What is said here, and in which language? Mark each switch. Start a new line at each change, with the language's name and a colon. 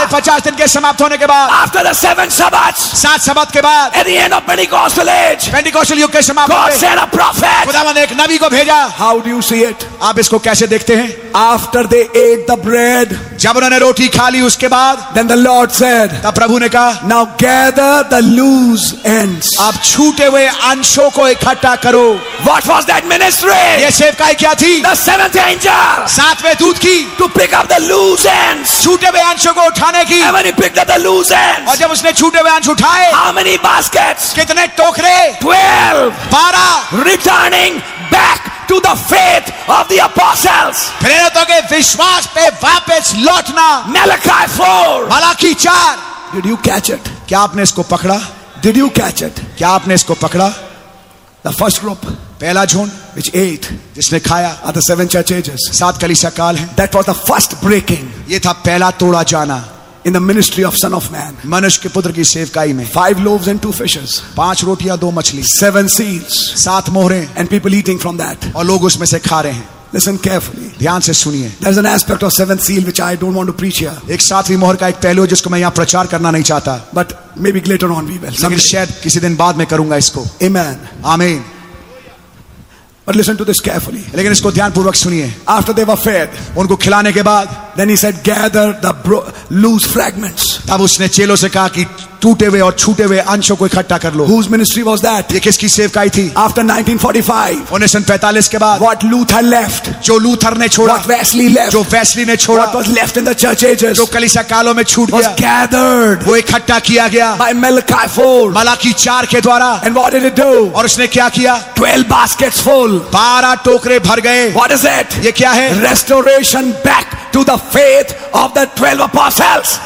Hindi: 50 दिन के समाप्त होने के बाद.
English: After the 7 Sabbaths.
Hindi: 7 सबत के बाद.
English: At the end of Pentecostal age,
Hindi: Pentecostal युग के समाप्त
English: God sent a prophet.
Hindi: खुदावंद ने एक नबी को भेजा.
English: How do you see it?
Hindi: आप इसको कैसे देखते हैं?
English: After they ate the bread,
Hindi: जब उन्होंने रोटी खा ली उसके बाद,
English: then the Lord said,
Hindi: तब प्रभु ने कहा,
English: now gather the loose ends.
Hindi: आप छूटे हुए अंशों को इकट्ठा करो.
English: What was that ministry?
Hindi: ये सेवकाई क्या थी?
English: The seventh angel,
Hindi: सातवें दूत की,
English: to pick up the loose ends.
Hindi: छूटे हुए अंशों को उठाने की.
English: And when he picked up the loose ends,
Hindi: और जब उसने छूटे हुए अंश उठाए,
English: how many baskets?
Hindi: कितने टोकरे?
English: 12.
Hindi: 12.
English: Returning back. To the faith of the apostles.
Hindi: प्रेरितों के विश्वास पे वापस लौटना.
English: Malachi 4.
Hindi: Malachi 4.
English: Did you catch it?
Hindi: क्या आपने इसको पकड़ा?
English: Did you catch it?
Hindi: क्या आपने इसको पकड़ा?
English: The first group.
Hindi: पहला झुंड.
English: Which ate.
Hindi: जिसने खाया.
English: Are the seven church ages.
Hindi: सात कलीसिया काल हैं.
English: That was the first breaking.
Hindi: ये था पहला तोड़ा जाना.
English: In the ministry of Son of Man.
Hindi: मनुष्य के पुत्र की सेवकाई में.
English: 5 loaves and 2 fishes.
Hindi: 5 रोटियां 2 मछली.
English: 7 seals.
Hindi: 7 मोहरे.
English: And people eating from that.
Hindi: और लोग उसमें से खा रहे हैं.
English: Listen carefully.
Hindi: ध्यान से सुनिए.
English: There's an aspect of seventh seal which I don't want to preach here.
Hindi: एक सातवीं मोहर का एक पहलू जिसको मैं यहाँ प्रचार करना नहीं चाहता.
English: But maybe later on we will.
Hindi: लेकिन शायद किसी दिन बाद मैं करूँगा इसको.
English: Amen.
Hindi: Amen.
English: But listen to this carefully.
Hindi: लेकिन इसको ध्यानपूर्वक सुनिए.
English: After they were fed,
Hindi: उनको खिलाने के बाद,
English: then he said, gather the loose fragments.
Hindi: तब उसने चेलों से कहा कि टूटे हुए और छूटे हुए अंशों को इकट्ठा कर लो.
English: Whose ministry was that?
Hindi: ये किसकी सेवकाई थी?
English: After 1945,
Hindi: 1945 के बाद,
English: what Luther left?
Hindi: जो लूथर ने छोड़ा,
English: what Wesley left?
Hindi: जो वेस्ली ने छोड़ा,
English: what was left in the church ages?
Hindi: जो कलीसिया कालों में छूट गया,
English: was gathered.
Hindi: वो इकट्ठा किया गया,
English: by Malachi 4.
Hindi: मलाकी चार के द्वारा.
English: And what did it do?
Hindi: और उसने क्या किया?
English: 12 baskets full.
Hindi: 12 टोकरे भर गए.
English: What is it?
Hindi: ये क्या है?
English: Restoration back to the faith of the 12 apostles.